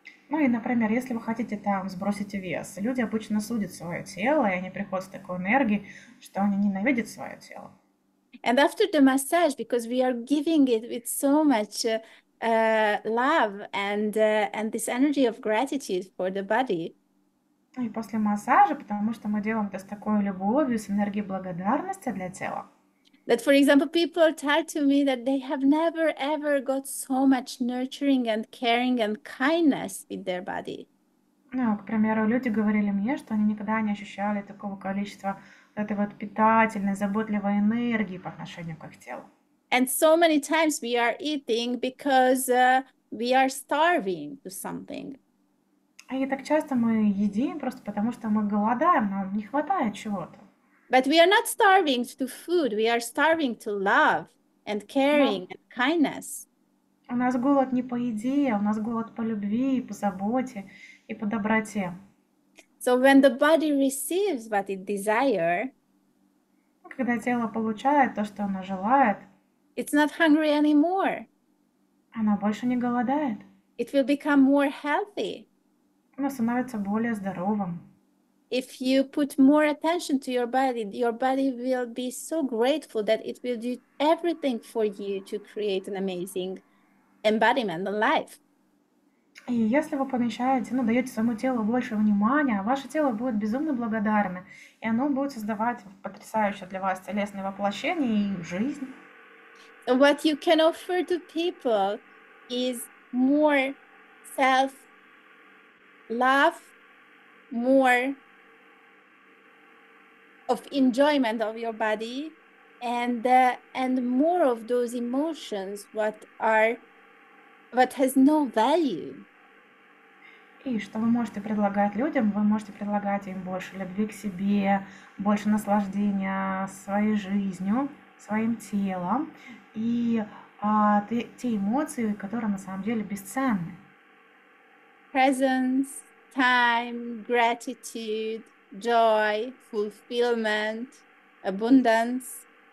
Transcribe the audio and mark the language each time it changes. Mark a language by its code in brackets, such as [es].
[ru] Ну и, например, если вы хотите там сбросить вес, люди обычно судят свое тело, и они приходят с такой энергией, что они ненавидят свое тело. [en] And after the massage, because we are giving it with so much love and this energy of gratitude for the body. [ru] И после массажа, потому что мы делаем это с такой любовью, с энергией благодарности для тела. [en] That, for example, people tell to me that they have never ever got so much nurturing and caring and kindness with their body. [ru] Ну, к примеру, люди говорили мне, что они никогда не ощущали такого количества этой вот питательной, заботливой энергии по отношению к их телу. [en] And so many times we are eating because we are starving to something. [ru] И так часто мы едим просто потому, что мы голодаем, нам не хватает чего-то. [en] But we are not starving to food, we are starving to love and caring and kindness. [ru] У нас голод не по еде, у нас голод по любви, по заботе и по доброте. [en] So when the body receives what it desires, [ru] Когда тело получает то, что оно желает, [en] it's not hungry anymore. [ru] оно больше не голодает. [en] It will become more healthy. [ru] Оно становится более здоровым. [en] If you put more attention to your body will be so grateful that it will do everything for you to create an amazing embodiment of life. [ru] И если вы помещаете, ну, даете своему телу больше внимания, ваше тело будет безумно благодарно, и оно будет создавать потрясающее для вас телесное воплощение и жизнь. [en] What you can offer to people is more self love, more of enjoyment of your body, and more of those emotions what has no value. [ru] И что вы можете предлагать людям? Вы можете предлагать им больше любви к себе, больше наслаждения своей жизнью, своим телом и те эмоции, которые на самом деле бесценны. [en] Presence, time, gratitude, joy, fulfillment, abundance.